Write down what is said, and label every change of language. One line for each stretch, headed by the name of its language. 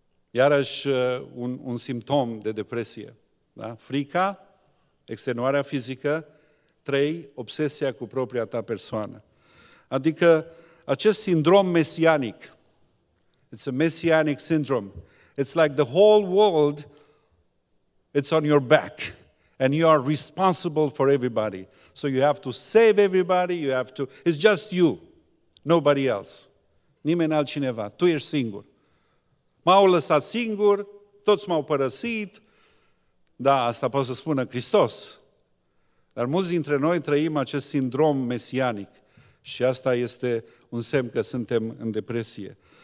Romanian: Iarăși un simptom de depresie. Da? Frica, extenuarea fizică, trei, obsesia cu propria ta persoană. Adică acest sindrom mesianic,
English: it's a messianic syndrome, it's like the whole world, it's on your back, and you are responsible for everybody. So you have to save everybody, you have to, it's just you, nobody else.
Romanian: Nimeni altcineva, tu ești singur. M-au lăsat singur, toți m-au părăsit, da, asta poate să spună Hristos. Dar mulți dintre noi trăim acest sindrom mesianic și asta este un semn că suntem în depresie.